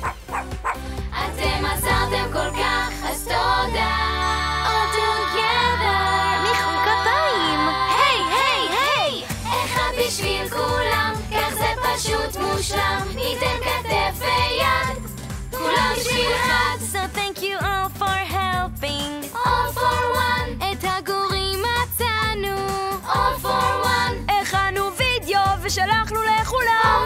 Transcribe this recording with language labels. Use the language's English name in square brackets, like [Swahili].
[Hebrew] אתם עזרתם כל כך, אז תודה. [English] All together. [Hebrew] מחאו כפיים. היי, היי, היי. אחד בשביל כולם, כך זה פשוט מושלם. ניתן כתף ויד, כולם בשביל אחד. [English] So thank you all for helping. All for one. [Hebrew] את הגורים מצאנו. [English] All for one. [Hebrew] הכנו וידאו ושלחנו לכולם.